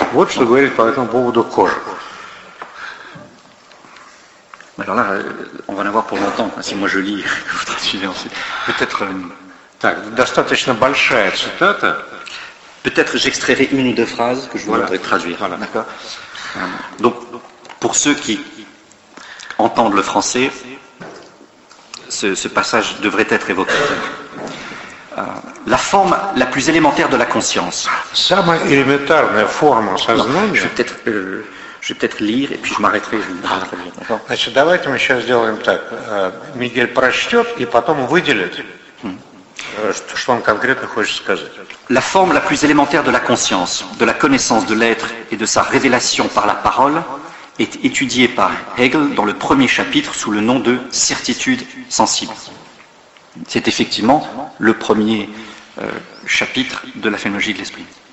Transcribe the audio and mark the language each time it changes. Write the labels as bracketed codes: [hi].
[ru] Вот что говорит по этому поводу Кожев. [fr] Alors là, on va en avoir pour longtemps, si moi je lis, vous traduisez ensuite. Peut-être. [ru] Так, достаточно большая цитата. [fr] Peut-être j'extrairai une ou deux phrases que je voudrais traduire. Voilà. D'accord. Donc, pour ceux qui entendent le français, ce passage devrait être évoqué. La forme la plus élémentaire de la conscience. [ru] Самая элементарная форма сознания. [fr] Je vais peut-être. Je vais peut-être lire et puis je m'arrêterai. [ru] Значит, давайте мы сейчас сделаем так. Мигель прочтет и потом выделит, что он конкретно хочет сказать. [fr] La forme la plus élémentaire de la conscience, de la connaissance de l'être et de sa révélation par la parole est étudiée par Hegel dans le premier chapitre sous le nom de certitude sensible. C'est effectivement le premier chapitre de la phénoménologie de l'esprit.